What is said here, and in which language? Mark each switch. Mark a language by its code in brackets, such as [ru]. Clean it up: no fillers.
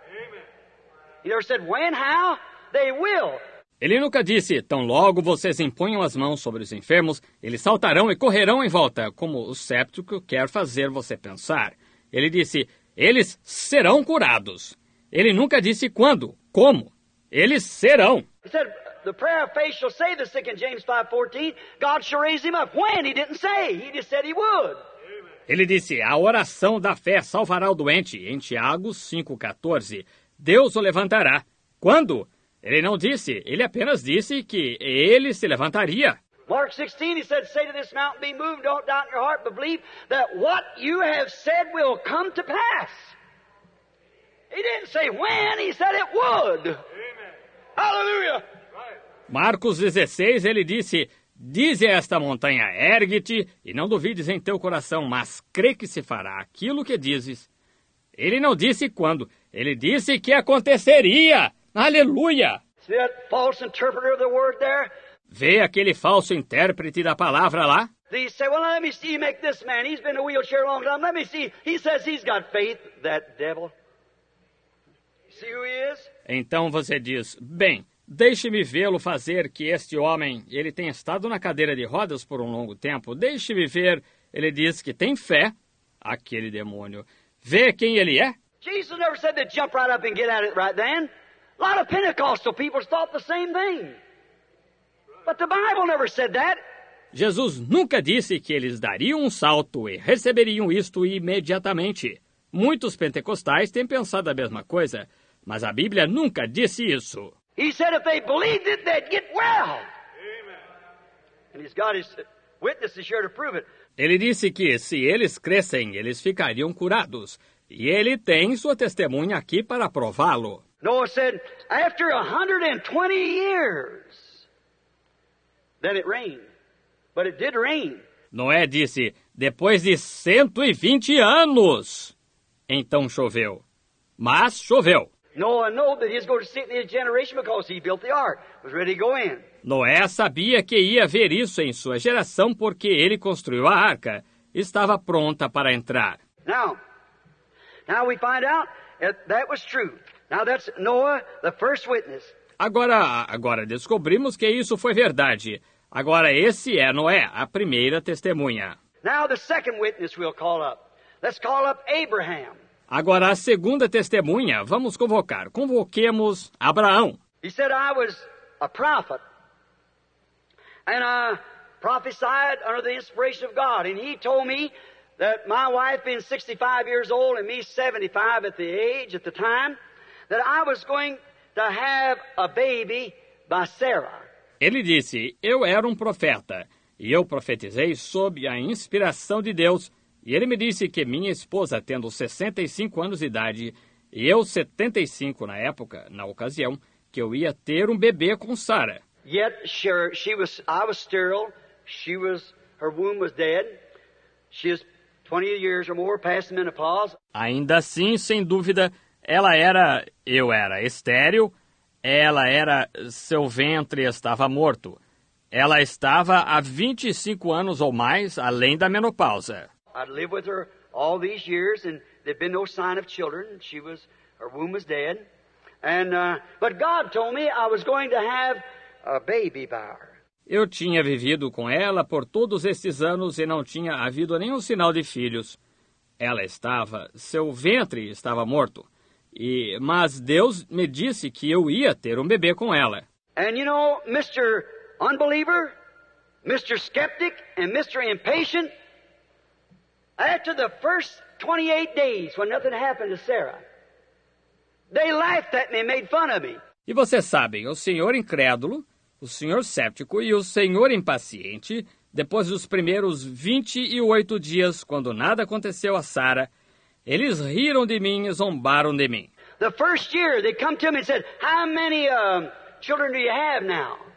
[en] Amen. He never said, when, how? They will. [pt] Ele nunca disse, tão logo vocês imponham as mãos sobre os enfermos, eles saltarão e correrão em volta, como o séptico quer fazer você pensar. Ele disse, eles serão curados. Ele nunca disse quando, como. Eles serão. Ele disse, [en] the prayer of faith shall save the sick in James 5:14. God shall raise him up. When? He didn't say. He just said he would. [pt] Ele disse, a oração da fé salvará o doente, em Tiago 5:14. Deus o levantará. Quando? Ele não disse, ele apenas disse que ele se levantaria. [en] Mark 16, he said, say to this mountain, be moved, don't doubt in your heart, but believe that what you have said will come to pass. He didn't say when, he said it would. Amen. Hallelujah. [pt] Marcos 16, ele disse, dize a esta montanha, ergue-te, e não duvides em teu coração, mas crê que se fará aquilo que dizes. Ele não disse quando, ele disse que aconteceria. Aleluia! [en] See that false interpreter of the word there? [pt] Vê aquele falso intérprete da palavra lá? [en] They say, well, let me see, make this man. He's been in a wheelchair a long time. Let me see. He says he's got faith, that devil. See who he is? [pt] Então você diz, bem, deixe-me vê-lo fazer que este homem, ele tem estado na cadeira de rodas por um longo tempo. Deixe-me ver. Ele diz que tem fé, aquele demônio. Vê quem ele é? [en] Jesus never said to jump right up and get at it right then. A lot of Pentecostal people thought the same thing. But the Bible never said that. [pt] Jesus nunca disse que eles dariam um salto e receberiam isto imediatamente. Muitos pentecostais têm pensado a mesma coisa, mas a Bíblia nunca disse isso. [en] He said if they believed it, they'd get well. Amen. And he's got his witnesses here to prove it. [pt] Ele disse que se eles crescem, eles ficariam curados. E ele tem sua testemunha aqui para prová-lo. [en] Noah said, after 120 years, then it rained. But it did rain. [pt] Noé disse, depois de 120 anos, então choveu. Mas choveu. [en] Noah knew that he was going to see it in his generation because he built the ark. Was ready to go in. [pt] Noé sabia que ia ver isso em sua geração porque ele construiu a arca. Estava pronta para entrar. [en] Now we find out that was true. Now that's Noah, the first witness. [pt] Agora descobrimos que isso foi verdade. Agora esse é Noé, a primeira testemunha. [en] Now the second witness we'll call up. Let's call up Abraham. [pt] Agora a segunda testemunha, vamos convocar. Convoquemos Abraão. [en] He said I was a prophet. And I prophesied under the inspiration of God. And he told me that my wife being 65 years old and me 75 at the age at the time, that I was going to have a baby by Sarah. [pt] Ele disse, eu era um profeta, e eu profetizei sob a inspiração de Deus. E ele me disse que minha esposa, tendo 65 anos de idade, e eu 75 na época, na ocasião, que eu ia ter um bebê com Sarah. [en] Yet, sure, I was sterile, her womb was dead, she is 20 years or more past menopause. [pt] Ainda assim, sem dúvida, eu era estéril, Ela era... seu ventre estava morto. Ela estava há 25 anos ou mais, além da menopausa. [en] I'd lived with her all these years, and there'd been no sign of children. She was... her womb was dead. And, but God told me I was going to have a baby by her. [pt] Eu tinha vivido com ela por todos esses anos e não tinha havido nenhum sinal de filhos. Ela estava... seu ventre estava morto. E, mas Deus me disse que eu ia ter um bebê com ela. [en] And you know, Mr. Unbeliever, Mr. Skeptic, and Mr. Impatient, after the first 28 days when nothing happened to Sarah, they laughed at me and made fun of me. [pt] E você sabe, o senhor incrédulo, o senhor cético e o senhor impaciente, depois dos primeiros 28 dias, quando nada aconteceu a Sarah, eles riram de mim e zombaram de mim. [en] The first year, they come to me and said, how many children do you have now?